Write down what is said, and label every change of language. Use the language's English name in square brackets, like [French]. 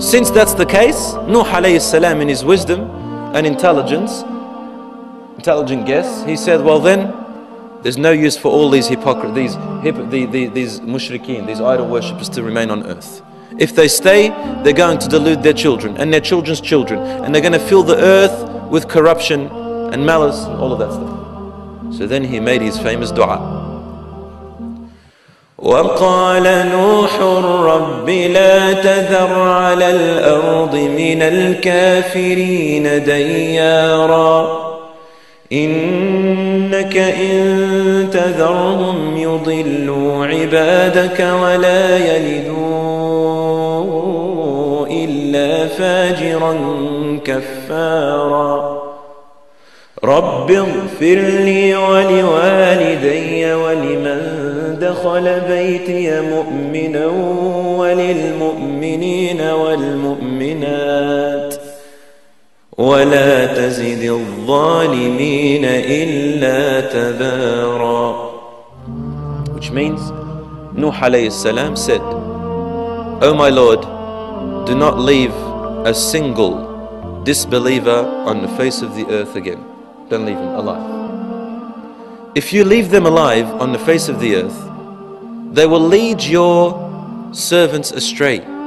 [English] Since that's the case, Nuh alayhi salam, in his wisdom and intelligent guess, he said, well then, there's no use for all these these mushrikeen, these idol worshippers to remain on earth. If they stay, they're going to delude their children and their children's children, and they're going to fill the earth with corruption and malice, and all of that stuff. So then he made his famous dua. [Arabic] وقال نوح رب لا تذر على الأرض من الكافرين ديارا إنك إن تذرهم يضلوا عبادك ولا يلدوا إلا فاجرا كفارا رب اغفر لي ولوالدي ولمن دخل بيتي مؤمنا وللمؤمنين والمؤمنات ولا تزد الظالمين إلا تبارا. [English] Which means, Nuh alayhi salam said, "Oh my Lord, do not leave a single disbeliever on the face of the earth again. Don't leave them alive. If you leave them alive on the face of the earth, they will lead your servants astray.